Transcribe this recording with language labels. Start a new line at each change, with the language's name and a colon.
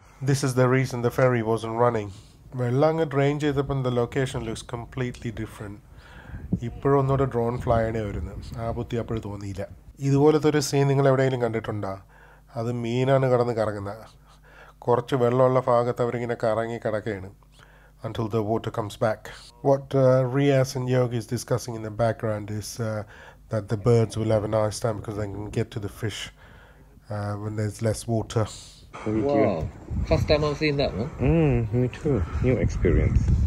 English: This is the reason the ferry wasn't running.
Malayalam: വെള്ളം അങ്ങ് drain ചെയ്തപ്പം
English: The location looks completely different.
Malayalam: ഇപ്പോഴൊന്നുകൂടെ drone ഫ്ലൈയാണേ വരുന്നത്. ആ ബുദ്ധി അപ്പോഴും തോന്നിയില്ല. ഇതുപോലത്തെ ഒരു സീൻ നിങ്ങൾ എവിടെയെങ്കിലും കണ്ടിട്ടുണ്ടോ? അത് മീനാണ് കിടന്ന് കറങ്ങുന്നത്. കുറച്ച് വെള്ളമുള്ള ഭാഗത്ത് അവരിങ്ങനെ കറങ്ങി കിടക്കുകയാണ്.
English: Until the water comes back. What Riyas and Yogi is discussing in the background is that the birds will have a nice time because they can get to the fish when there's less water. Wow. First time I've seen that one. Me too. New experience.